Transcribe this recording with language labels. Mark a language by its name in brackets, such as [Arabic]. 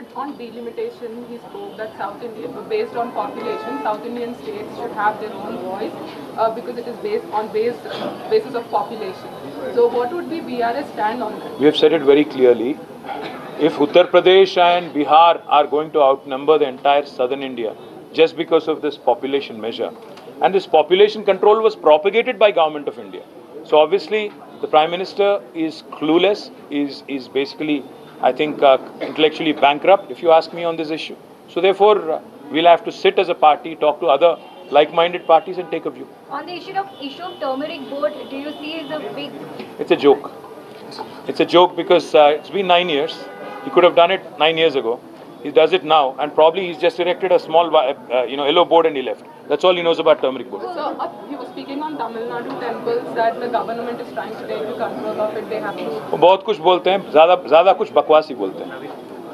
[English] Sir, on delimitation he spoke that South India based on population South Indian states should have their own voice because it is based on basis of population. So what would be BRS stand on that? We have said it very clearly, if Uttar Pradesh and Bihar are going to outnumber the entire southern India just because of this population major and this population control was propagated by government of India. So obviously the prime minister is clueless, is basically I think intellectually bankrupt if you ask me on this issue. So therefore we'll have to sit as a party, talk to other like minded parties and take a view on the issue of turmeric board. Do you see is a big it's a joke because it's been 9 years. He could have done it 9 years ago. He does it now and probably he's just erected a small yellow board and he left. That's all he knows about turmeric board. So, he was speaking on Tamil Nadu temples that the government is trying to take control of it. They have to. [Hindi] बहुत कुछ बोलते हैं, ज़्यादा कुछ बकवास ही बोलते हैं।